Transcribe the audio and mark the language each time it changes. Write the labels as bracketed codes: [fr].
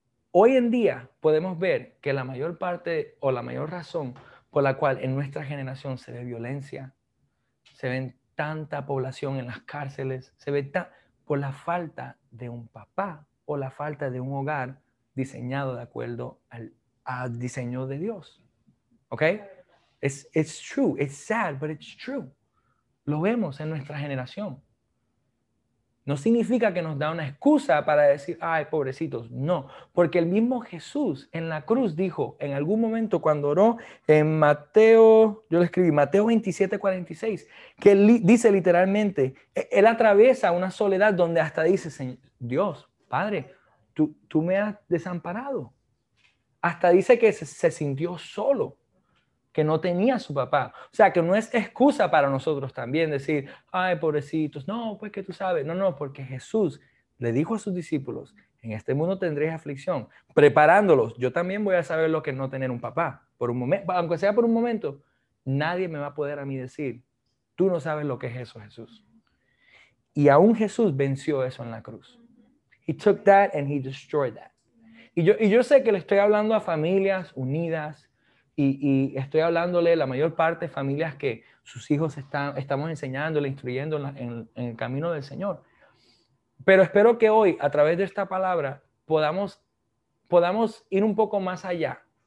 [es] Hoy en día podemos ver que la mayor parte o la mayor razón por la cual en nuestra generación se ve violencia, se ven tanta población en las cárceles, se ve por la falta de un papá o la falta de un hogar diseñado de acuerdo al diseño de Dios. ¿Ok? [en] It's true, it's sad, but it's true. [es] Lo vemos en nuestra generación. No significa que nos da una excusa para decir, ay, pobrecitos, no, porque el mismo Jesús en la cruz dijo en algún momento cuando oró en Mateo, yo le escribí Mateo 27, 46, que li dice literalmente, él atraviesa una soledad donde hasta dice, Señor, Dios, Padre, tú me has desamparado. Hasta dice que se sintió solo, que no tenía a su papá. O sea, que no es excusa para nosotros también decir, ay, pobrecitos, no, pues que tú sabes. No, no, porque Jesús le dijo a sus discípulos, en este mundo tendréis aflicción, preparándolos. Yo también voy a saber lo que es no tener un papá. Por un momento, aunque sea por un momento, nadie me va a poder a mí decir, tú no sabes lo que es eso, Jesús. Y aún Jesús venció eso en la cruz. [en] He took that and he destroyed that. [es] Y yo sé que le estoy hablando a familias unidas y estoy hablándole la mayor parte de familias que sus hijos estamos enseñándole, instruyendo en el camino del Señor. Pero espero que hoy, a través de esta palabra, podamos ir un poco más allá.